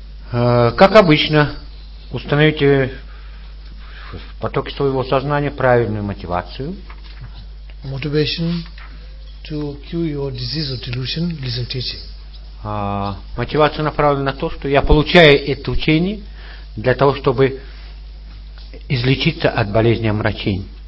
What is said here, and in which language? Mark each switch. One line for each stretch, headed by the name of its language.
Russian: Как обычно, установите в потоке своего сознания правильную мотивацию.
English: Motivation to cure your disease or delusion, listen teaching.
Russian: Мотивация направлена на то, что я получаю это учение для того, чтобы излечиться от болезни омрачений.